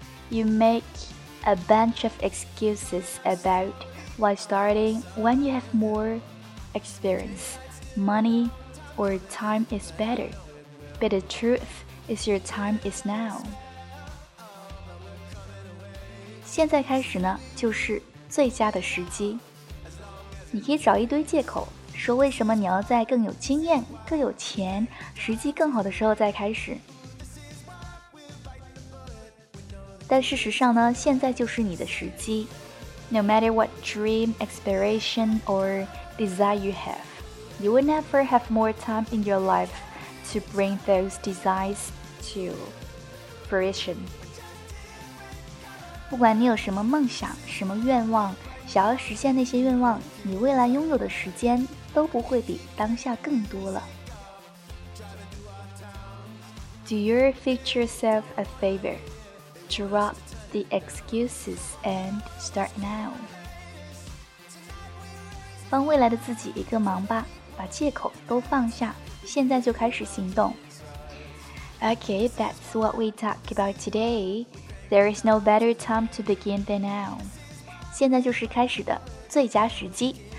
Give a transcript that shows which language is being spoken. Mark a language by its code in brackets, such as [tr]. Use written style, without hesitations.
[en] You make a bunch of excuses about why starting when you have more experience, money or time is better, but the truthIs your time is now. [zh] 现在开始呢，就是最佳的时机。你可以找一堆借口，说为什么你要在更有经验、更有钱、时机更好的时候再开始。但事实上呢，现在就是你的时机。 [en] No matter what dream, aspiration, or desire you have, you will never have more time in your life to bring those desires. Fruition. [zh] 不管你有什么梦想、什么愿望，想要实现那些愿望，你未来拥有的时间都不会比当下更多了。 [en] Do your future self a favor. Drop the excuses and start now. [zh] 帮未来的自己一个忙吧，把借口都放下，现在就开始行动。 [en] Okay, that's what we talk about today. There is no better time to begin than now. [zh] 现在就是开始的最佳时机。